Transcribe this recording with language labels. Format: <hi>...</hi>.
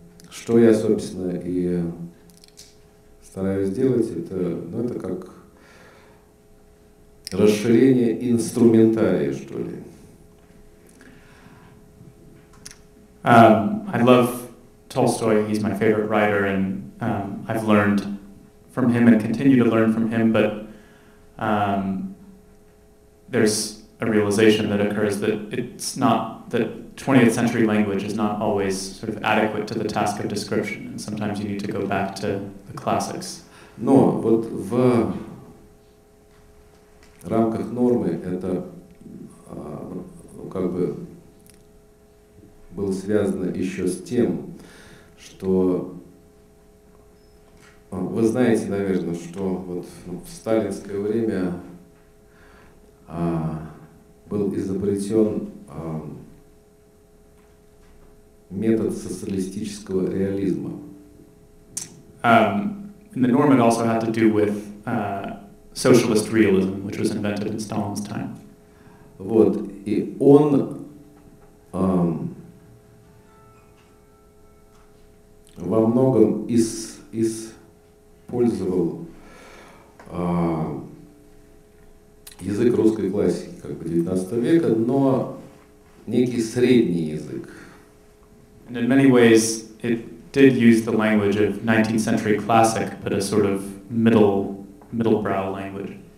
<ru>Что я, собственно, и стараюсь сделать, это, ну, это как расширение инструментария, что ли.</ru> <en>I love Tolstoy, he's my favorite writer, and I've learned from him and continue to learn from him, but there's a realization that occurs that it's not, that 20th century language is not always sort of adequate to the task of description, and sometimes you need to go back to the classics.</en> <ru>Но вот в рамках нормы это как бы было связано еще с тем, что Вы знаете, наверное, что вот в сталинское время был изобретен метод социалистического реализма.</ru> <en>And the Norman also had to do with socialist realism, which was invented in Stalin's time.</en> <ru>Вот, и он во многом использовал язык русской классики как бы 19 века, но некий средний язык.</ru> <en>And in many ways it did use the language of 19th century classic, but a sort of middle-brow language.</en>